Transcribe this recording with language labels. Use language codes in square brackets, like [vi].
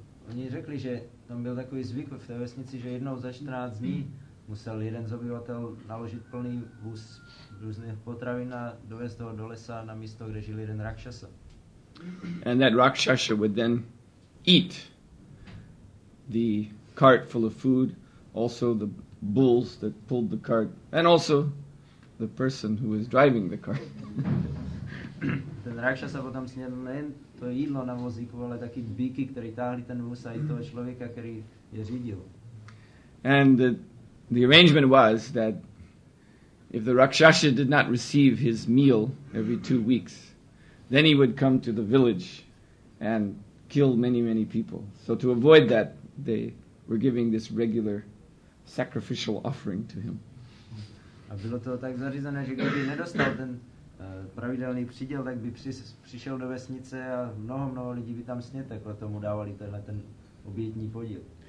[cs] Oni řekli, že tam byl takový zvyk v té vesnici, že jednou za 14 dní musel jeden z obyvatel naložit plný vůz různých potravin a dovést ho do lesa na místo, kde žil jeden rakshasa. [en] And that rakshasa would then eat the cart full of food, also the bulls that pulled the cart, and also the person who was driving the cart. [cs] Ten rakshasa potom snědl nejen to jídlo na vozíku, ale taky bíky, které táhli ten vůz a i toho člověka, který je řídil. [en] And the arrangement was that if the rakshasa did not receive his meal every 2 weeks, then he would come to the village and kill many, many people. So to avoid that, they were giving this regular sacrificial offering to him. [cs] A bylo to tak zařízené, že kdyby nedostal ten pravidelný příděl, tak by přišel do vesnice a mnoho lidí by tam snědlo, takhle tomu dávali tenhle ten obětní podíl.